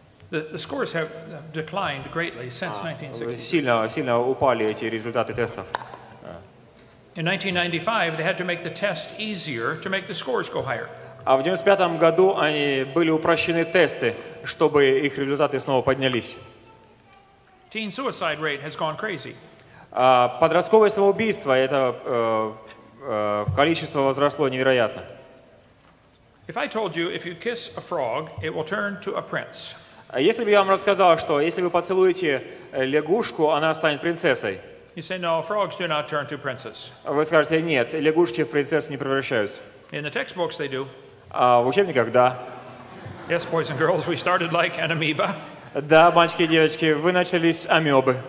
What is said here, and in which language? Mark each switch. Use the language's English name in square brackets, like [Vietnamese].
[English] The scores have declined greatly since 1963. [Russian] Сильно упали эти результаты тестов. [English] In 1995 they had to make the test easier to make the scores go higher. [Russian] А в 95 году они были упрощены тесты, чтобы их результаты снова поднялись. [English] Teen suicide rate has gone crazy. [Russian] Подростковое самоубийство, это количество возросло невероятно. [English] If I told you, if you kiss a frog, it will turn to a prince. [Russian] Если бы я вам рассказал, что если вы поцелуете лягушку, она станет принцессой. [English] You say, no, frogs do not turn to princes. [Russian] Вы скажете, нет, лягушки в принцессы не превращаются. [English] In the textbooks they do. [Russian] В учебниках, да. [English] Yes, boys and girls, we started like an amoeba. [Russian] Да, мальчики и девочки, вы начались амебы.